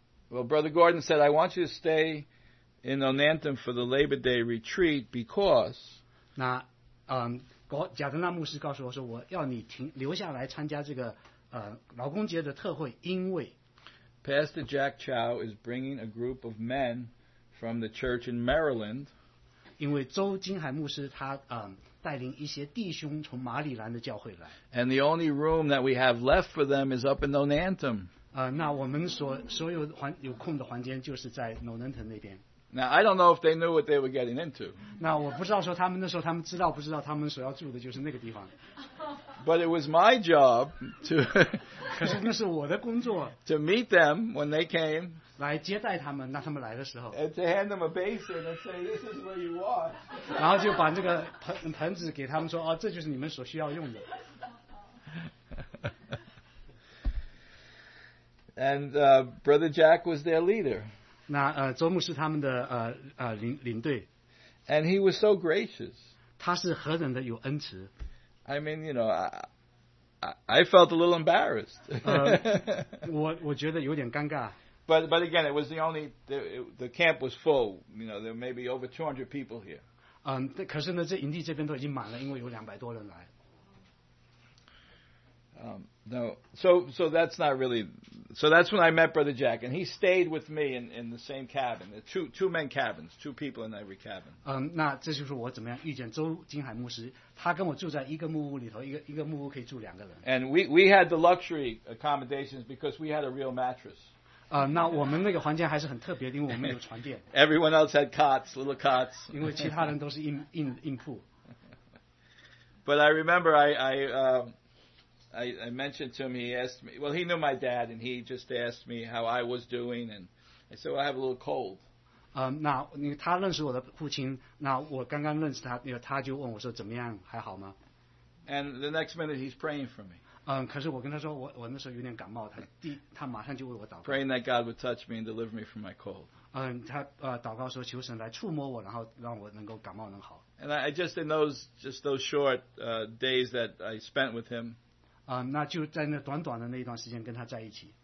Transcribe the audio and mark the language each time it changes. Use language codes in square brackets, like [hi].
[en] Well, Brother Gordon said, "I want you to stay in Nonantum for the Labor Day retreat because." [zh] 那贾德纳牧师告诉我说，我要你留下来参加这个劳工节的特会，因为 [en] Pastor Jack Chow is bringing a group of men from the church in Maryland. [zh] 因为周金海牧师他带领一些弟兄从马里兰的教会来。 [en] And the only room that we have left for them is up in Nonantum. [zh] 那我们所有有空的房间就是在 Nonantum 那边。 [en] Now, I don't know if they knew what they were getting into. [zh] 那我不知道说他们那时候他们知道不知道他们所要住的就是那个地方。 [en] But it was my job to [zh] 可是那是我的工作。 [en] To meet them when they came. [zh] 来接待他们，那他们来的时候。 [en] And to hand them a basin and say, this is where you are. [zh] 然后就把这个盆子给他们说，哦，这就是你们所需要用的。 [en] And Brother Jack was their leader. [zh] 那周牧师他们的领队。 [en] And he was so gracious. [zh] 他是何等的有恩慈。 [en] I mean, you know, I felt a little embarrassed. [zh] 我觉得有点尴尬。 [en] But again, it was the only the camp was full. You know, there may be over 200 people here. [zh] 可是呢，这营地这边都已经满了，因为有两百多人来。 [en] So that's not really. So that's when I met Brother Jack, and he stayed with me in the same cabin, two men cabins, two people in every cabin. [zh] 那这就是我怎么样遇见周金海牧师，他跟我住在一个木屋里头，一个木屋可以住两个人。 [en] And we had the luxury accommodations because we had a real mattress. [zh] 那我们那个房间还是很特别的，因为我们有床垫。 [en] Everyone else had cots, little cots. [zh] 因为其他人都是硬铺。 [en] But I remember I mentioned to him, he asked me, well, he knew my dad, and he just asked me how I was doing, and I said, well, I have a little cold. [zh] 他认识我的父亲，那我刚刚认识他，他就问我说怎么样，还好吗？ [en] And the next minute, he's praying for me. [zh] 可是我跟他说我那时候有点感冒，他马上就为我祷告。 [en] Praying that God would touch me and deliver me from my cold. [zh] 他祷告说求神来触摸我，然后让我能够感冒能好。 [en] And I just in those short days that I spent with him, [zh] 那就在那短短的那段时间跟他在一起。